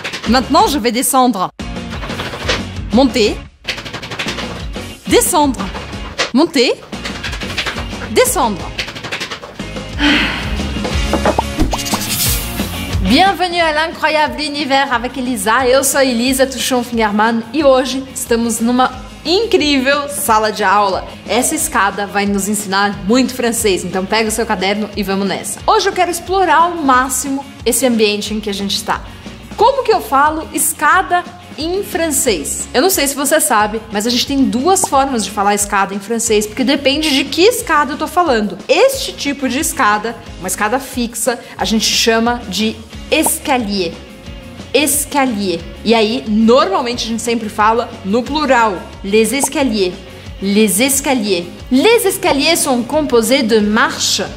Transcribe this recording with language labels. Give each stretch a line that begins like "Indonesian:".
French: Maintenant, je vais descendre. Monter. Descendre. Monter. Descendre. Bienvenue à l'incroyable univers avec Elisa.
Portuguese: Eu sou Elisa Tuchon-Fingerman e hoje estamos numa incrível sala de aula. Essa escada vai nos ensinar muito francês, então pega o seu caderno e vamos nessa. Hoje eu quero explorar ao máximo esse ambiente em que a gente está. Como que eu falo escada em francês? Eu não sei se você sabe, mas a gente tem duas formas de falar escada em francês, porque depende de que escada eu tô falando. Este tipo de escada, uma escada fixa, a gente chama de escalier. Escalier. E aí, normalmente a gente sempre fala no plural.
French: Les escaliers. Les escaliers. Les escaliers sont composés de marches.